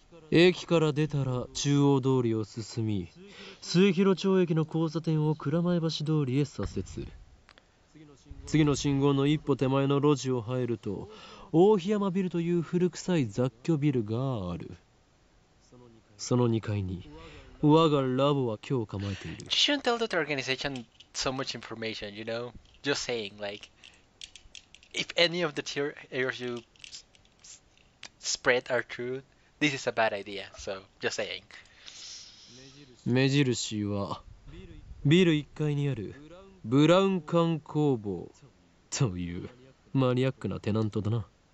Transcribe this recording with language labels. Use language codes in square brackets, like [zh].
[ja] 駅から出たら中央通りを進み、末広町駅の交差点を蔵前橋通りへ左折。次の信号の一歩手前の路地を入ると、大檜山ビルという古臭い雑居ビルがある。その2階に、我がラボは今日構えている。 [en] You shouldn't tell that organization so much information, you know? Just saying, like, if any of the theories you spread are true, this is a bad idea, so just saying. [ja] 目印は、ビル1階にあるブラウン管工房というマニアックなテナントだな。